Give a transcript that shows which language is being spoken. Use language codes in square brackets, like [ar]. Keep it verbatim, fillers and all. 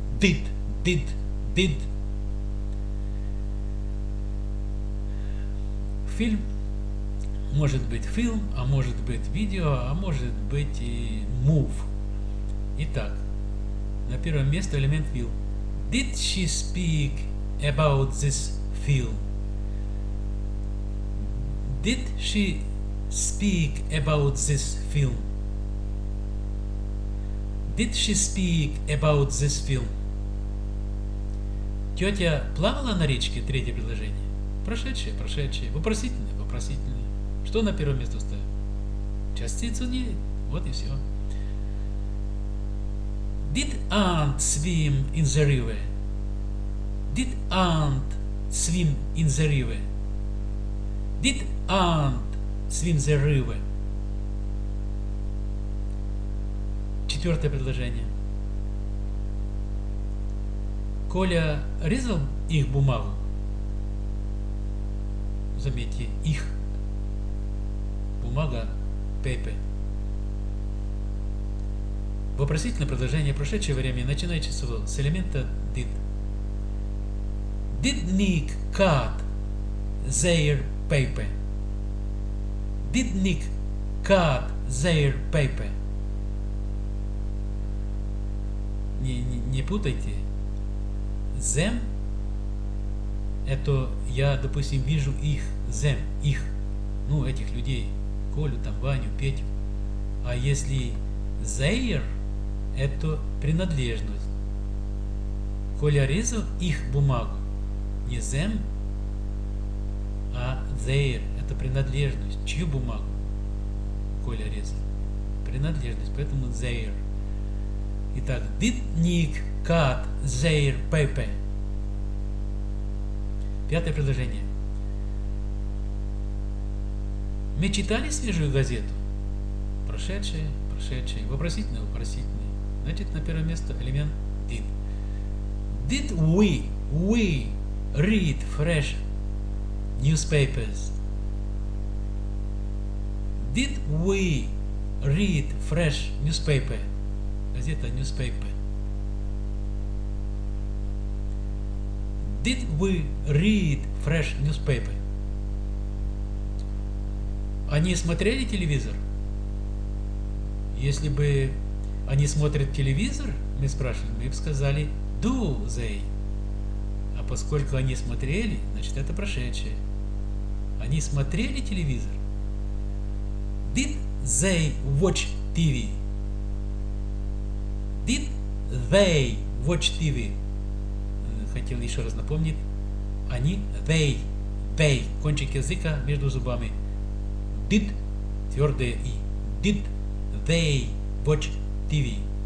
[en] Did, did, did. [ru] Фильм. Может быть фильм, а может быть видео, а может быть и move. Итак, на первом месте элемент will. [en] Did she speak about this film? Did she speak about this film? Did she speak about this film? [ru] Тетя плавала на речке? Третье предложение. Прошедшее, прошедшее. Вопросительное, вопросительное. Что на первое место ставим? Частицу did. Вот и все. [en] Did aunt swim in the river? Did aunt swim in the river? Did aunt swim the river? [ru] Четвертое предложение. Коля резал их бумагу? Заметьте, их. Бумага, paper. Вопросительное предложение прошедшего времени начинает число с элемента did. [en] Did Nick cut their paper? Did Nick cut their paper. [ru] Не, не, не путайте. Them — это я, допустим, вижу их, them, их, ну, этих людей, Колю, там, Ваню, Петю. А если their — это принадлежность. Коля резал их бумагу. Не them, а their — это принадлежность. Чью бумагу Коля резал? Принадлежность, поэтому their. [en] Итак, did Nick cut their paper? [ru] Пятое предложение. Мы читали свежую газету? Прошедшие, прошедшие. Вопросительное, вопросительное. Значит, на первое место элемент did. [en] Did we, we read fresh newspapers? Did we read fresh newspaper? [ru] Газета newspaper. [en] Did we read fresh newspaper? [ru] Они смотрели телевизор? Если бы они смотрят телевизор, мы спрашивали, мы бы сказали [en] do they. [ru] А поскольку они смотрели, значит, это прошедшее. Они смотрели телевизор? [en] Did they watch ти ви? Did they watch ти ви? [ru] Хотел еще раз напомнить. Они, they, they, кончик языка между зубами. Did, твердое и. [en] Did they watch ти ви?